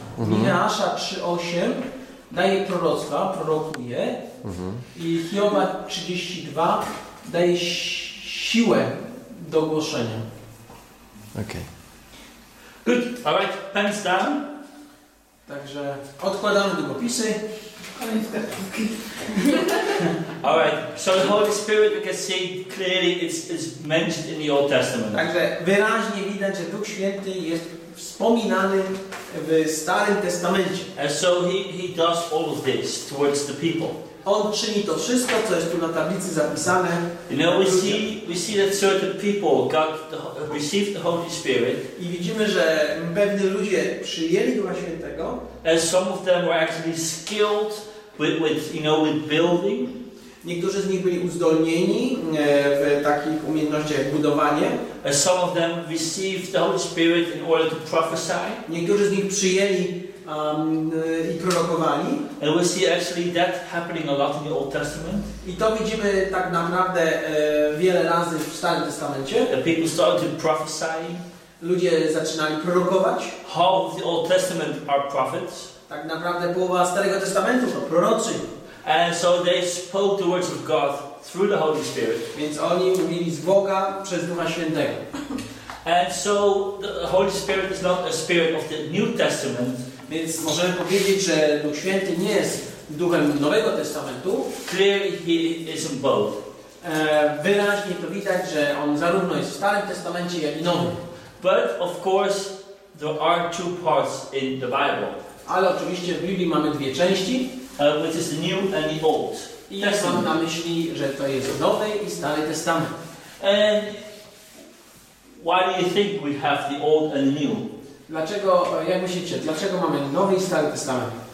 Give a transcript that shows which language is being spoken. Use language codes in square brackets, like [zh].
[pl] Nehemiasza 3:8 daje proroctwa, prorokuje. I Hioba 32 daje siłę do głoszenia. [en] Okay. Good. All right. Pens down. [pl] Także odkładamy długopisy. [en] All right. So the Holy Spirit, we can see clearly, it's mentioned in the Old Testament. [pl] Także wyraźnie widać, że Duch Święty jest wspominany w Starym Testamencie. [en] And so he does all of this towards the people. [pl] On czyni to wszystko, co jest tu na tablicy zapisane. [en] You know, we see that certain people received the Holy Spirit. [pl] I widzimy, że pewni ludzie przyjęli Ducha Świętego. [en] And some of them were actually skilled with building. [pl] Niektórzy z nich byli uzdolnieni w takich umiejętnościach jak budowanie. [en] And some of them received the Holy Spirit in order to prophesy. [pl] Niektórzy z nich przyjęli i prorokowali. [en] And we see actually that happening a lot in the Old Testament. [pl] I to widzimy tak naprawdę wiele razy w Starym Testamencie. [en] The people started to prophesy. [pl] Ludzie zaczynali prorokować. [en] Half of the Old Testament are prophets. [pl] Tak naprawdę połowa Starego Testamentu to prorocy. [en] And so they spoke the words of God through the Holy Spirit. [pl] Więc oni mówili z Boga przez Ducha Świętego. [en] And so the Holy Spirit is not a spirit of the New Testament. [pl] Więc możemy powiedzieć, że Duch Święty nie jest duchem Nowego Testamentu. [en] Clearly he is in both. [pl] Wyraźnie to widać, że on zarówno jest w Starym Testamencie, jak i Nowym. [en] But of course there are two parts in the Bible. [pl] Ale oczywiście w Biblii mamy dwie części. [en] Which is the New and the Old. [pl] I ja mam na myśli, że to jest Nowy i Stary Testament. [en] And why do you think we have the Old and the New? [pl] Dlaczego, jak myślicie, dlaczego mamy Nowy i Stary Testament?